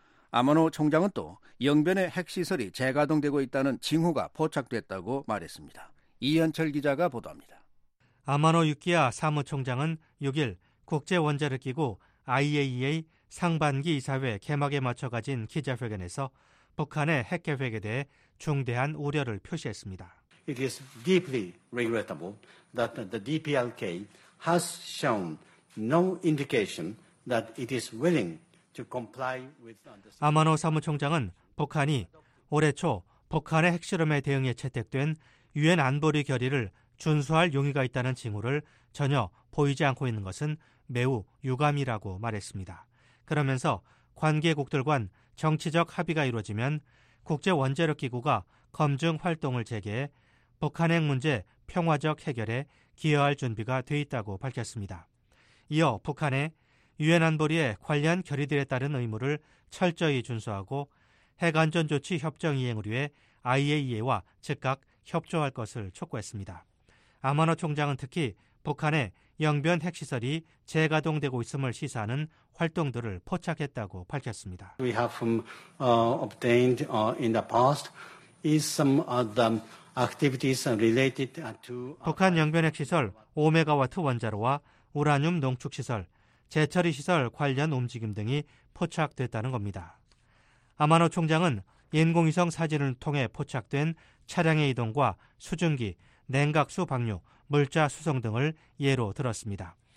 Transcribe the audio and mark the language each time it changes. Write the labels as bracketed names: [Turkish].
[Korean] 아마노 총장은 또 영변의 핵시설이 재가동되고 있다는 징후가 포착됐다고 말했습니다. 이현철 기자가 보도합니다. 아마노 유키야 사무총장은 6일 국제원자력기구 IAEA 상반기 이사회 개막에 맞춰 가진 기자회견에서 북한의 핵 계획에 대해 중대한 우려를 표시했습니다. [English] It is deeply regrettable that the DPRK has shown no indication that it is willing to comply with. [Korean] 아마노 사무총장은 북한이 올해 초 북한의 핵실험에 대응해 채택된 유엔 안보리 결의를 준수할 용의가 있다는 징후를 전혀 보이지 않고 있는 것은 매우 유감이라고 말했습니다. 그러면서 관계국들 간 정치적 합의가 이루어지면 국제원자력기구가 검증 활동을 재개해 북한 핵 문제 평화적 해결에 기여할 준비가 돼 있다고 밝혔습니다. 이어 북한의 유엔 안보리의 관련 결의들에 따른 의무를 철저히 준수하고 핵안전조치 협정 이행을 위해 IAEA와 즉각 협조할 것을 촉구했습니다. 아마노 총장은 특히 북한의 영변 핵시설이 재가동되고 있음을 시사하는 활동들을 포착했다고 밝혔습니다. [English] We have obtained in the past is some of the activities related to [Korean] 북한 영변 핵시설 5메가와트 원자로와 우라늄 농축시설, 재처리시설 관련 움직임 등이 포착됐다는 겁니다. 아마노 총장은 인공위성 사진을 통해 포착된 차량의 이동과 수증기, 냉각수 방류, 물자 수송 등을 예로 들었습니다.